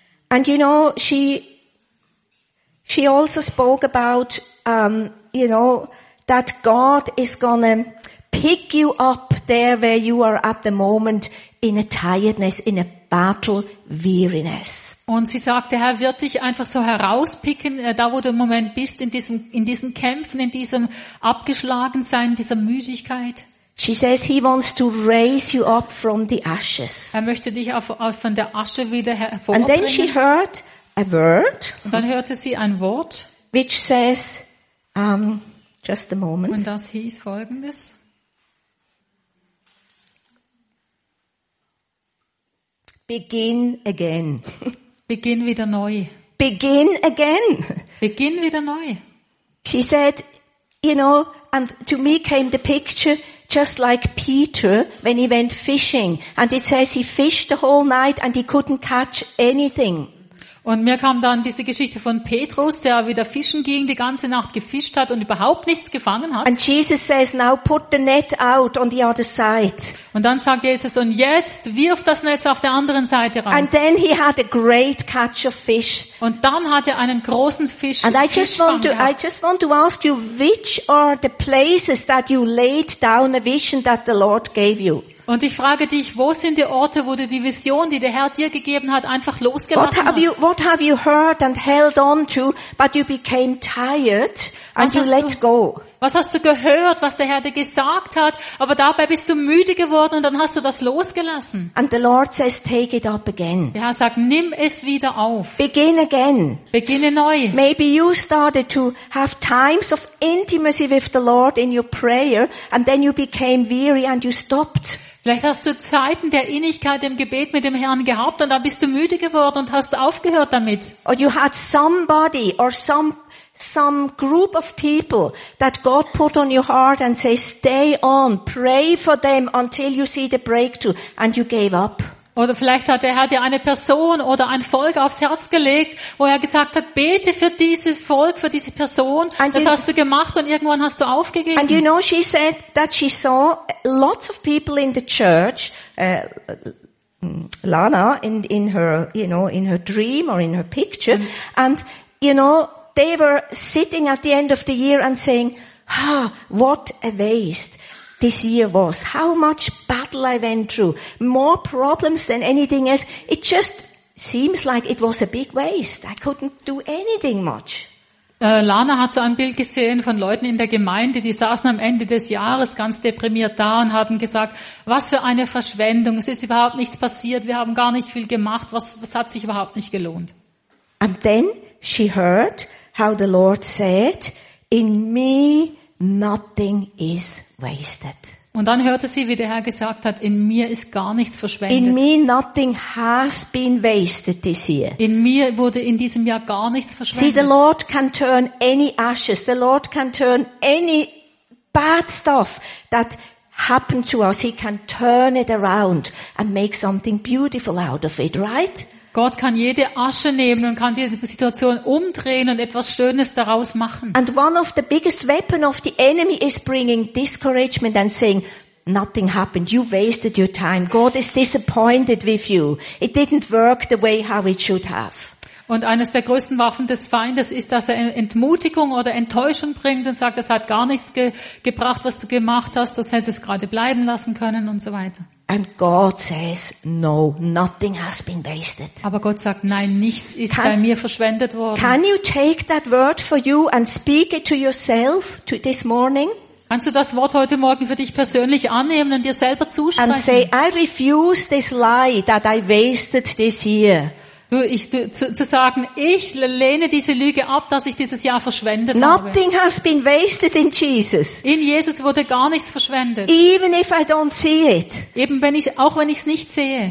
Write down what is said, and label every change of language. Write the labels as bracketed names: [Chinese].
[English] And you know, she also spoke about, you know, that God is gonna pick you up there where you are at the moment in a tiredness, in a battle weariness. [German] Und sie sagte, Herr wird dich einfach so herauspicken, da wo du im Moment bist, in diesen Kämpfen, in diesem Abgeschlagensein, dieser Müdigkeit. [English] She says he wants to raise you up from the ashes. [German] Er möchte dich auf von der Asche wieder hervorbringen. [English] And then she heard a word. [German] Und dann hörte sie ein Wort. [English] Which says, just a moment. [German] Und das hieß folgendes. [English] Begin again. [German] Begin wieder neu. [English] Begin again. [German] Begin wieder neu. [English] She said, you know, and to me came the picture just like Peter when he went fishing and it says he fished the whole night and he couldn't catch anything. [German] Und mir kam dann diese Geschichte von Petrus, der wieder fischen ging, die ganze Nacht gefischt hat und überhaupt nichts gefangen hat. [English] And Jesus says, now put the net out on the other side. [German] Und dann sagt Jesus, und jetzt wirf das Netz auf der anderen Seite raus. [English] And then he had a great catch of fish. [German] Und dann hat er einen großen Fisch. [English] And I just want to ask you, which are the places that you laid down a vision that the Lord gave you? [German] Und ich frage dich, wo sind die Orte, wo du die Vision, die der Herr dir gegeben hat, einfach losgelassen hast? [English] What have you heard and held on to, but you became tired and you let go? [German] Was hast du gehört, was der Herr dir gesagt hat, aber dabei bist du müde geworden und dann hast du das losgelassen? [English] And the Lord says, take it up again. [German] Der Herr sagt, nimm es wieder auf. [English] Begin again. [German] Beginne neu. [English] Maybe you started to have times of intimacy with the Lord in your prayer and then you became weary and you stopped. [German] Vielleicht hast du Zeiten der Innigkeit im Gebet mit dem Herrn gehabt und dann bist du müde geworden und hast aufgehört damit. [English] Or you had somebody or some group of people that God put on your heart and say, stay on, pray for them until you see the breakthrough and you gave up. [German] Oder vielleicht hat der Herr dir eine Person oder ein Volk aufs Herz gelegt, wo er gesagt hat, bete für dieses Volk, für diese Person. [English] And [German] das hast du gemacht und irgendwann hast du aufgegeben. [English] And you know, she said that she saw lots of people in the church, Lana, in her dream or in her picture, and you know, they were sitting at the end of the year and saying, ah, what a waste this year was. How much battle I went through. More problems than anything else. It just seems like it was a big waste. I couldn't do anything much. [German] Lana hat so ein Bild gesehen von Leuten in der Gemeinde, die saßen am Ende des Jahres ganz deprimiert da und haben gesagt, was für eine Verschwendung. Es ist überhaupt nichts passiert. Wir haben gar nicht viel gemacht. Was hat sich überhaupt nicht gelohnt? [English] And then she heard how the Lord said, in me nothing is wasted. [German] Und dann hörte sie, wie der Herr gesagt hat, in mir ist gar nichts verschwendet. [English] In me nothing has been wasted this year. [German] In mir wurde in diesem Jahr gar nichts verschwendet. [English] See, the Lord can turn any ashes, the Lord can turn any bad stuff that happened to us, he can turn it around and make something beautiful out of it, right? [German] Gott kann jede Asche nehmen und kann diese Situation umdrehen und etwas Schönes daraus machen. [English] And one of the biggest weapon of the enemy is bringing discouragement and saying, nothing happened, you wasted your time, God is disappointed with you, it didn't work the way how it should have. [German] Und eines der größten Waffen des Feindes ist, dass er Entmutigung oder Enttäuschung bringt und sagt, es hat gar nichts gebracht, was du gemacht hast, das hättest du gerade bleiben lassen können und so weiter. [English] And God says, no, nothing has been wasted. [German] Aber Gott sagt, nein, nichts ist bei mir verschwendet worden. [English] Can you take that word for you and speak it to yourself to this morning? [German] Kannst du das Wort heute Morgen für dich persönlich annehmen und dir selber zusprechen? [English] And say, I refuse this lie that I wasted this year. [German] zu sagen, ich lehne diese Lüge ab, dass ich dieses Jahr verschwendet [English] Nothing [German] habe. [English] Has been wasted in Jesus. [German] In Jesus wurde gar nichts verschwendet. [English] Even if I don't see it. [German] Eben wenn ich, auch wenn ich es nicht sehe.